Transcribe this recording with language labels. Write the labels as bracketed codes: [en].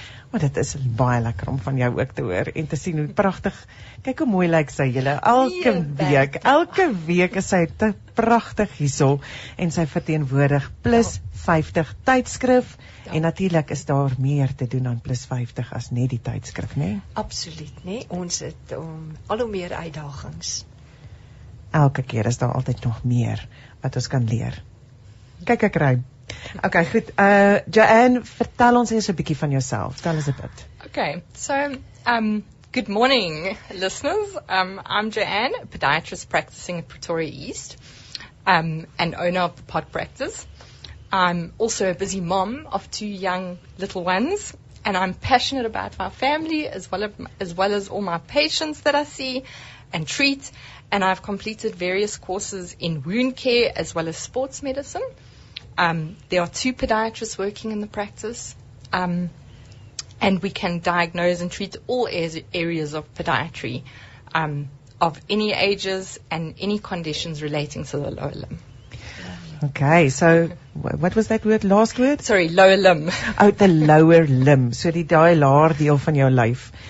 [af] Maar dit is baie lekker om van jou ook te hoor en te sien hoe pragtig, kyk hoe mooi lyk sy julle, elke week is sy te pragtig hierso en sy verteenwoordig plus 50 tydskrif en natuurlik is daar meer te doen aan plus 50 as net die tydskrif, nê? Absoluut, nê? Ons het al hoe meer uitdagings. Elke keer is daar altyd nog meer wat ons kan leer. Kyk ek ruim. Ok, goed. Joanne, vertel ons eens 'n bietjie van jouself. [en] Tell us a bit. Ok, so good morning, listeners. I'm Joanne, a podiatrist practicing at Pretoria East and owner of the Pod Practice. I'm also a busy mom of two young little ones and I'm passionate about my family as well as all my patients that I see and treat. And I've completed various courses in wound care as well as sports medicine. There are two podiatrists working in the practice. And we can diagnose and treat all areas of podiatry of any ages and any conditions relating to the lower limb. Okay, so what was that word, last word? Sorry, lower limb. Oh, the lower limb. [af] So die daai laar deel van jou lyf.